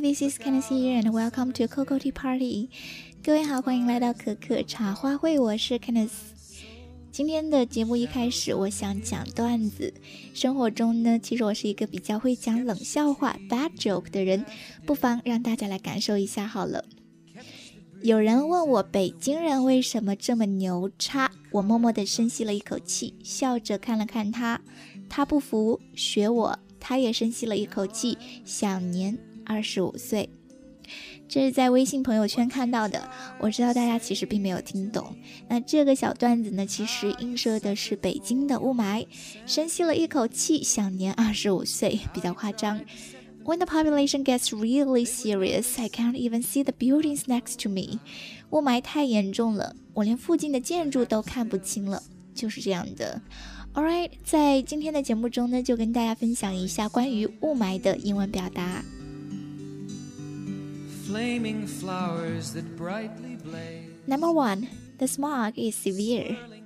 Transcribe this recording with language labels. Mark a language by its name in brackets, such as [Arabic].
[English] This is Kenneth here, and welcome to Coco Tea Party. [Chinese] 各位好，欢迎来到可可茶话会，我是 Kenneth。今天的节目一开始我想讲段子。生活中呢，其实我是一个比较会讲冷笑话 [English] bad joke [Chinese] 的人，不妨让大家来感受一下好了。有人问我北京人为什么这么牛叉，我默默地深吸了一口气，笑着看了看他，他不服，学我，他也深吸了一口气，享年25岁。这是在微信朋友圈看到的，我知道大家其实并没有听懂。那这个小段子呢，其实映射的是北京的雾霾，深吸了一口气，享年25岁，比较夸张。 [English] When the population gets really serious, I can't even see the buildings next to me. [Chinese] 雾霾太严重了，我连附近的建筑都看不清了，就是这样的。 Alright, 在今天的节目中呢，就跟大家分享一下关于雾霾的英文表达。 [English] Flaming flowers that brightly blaze. Number one, the smog is severe.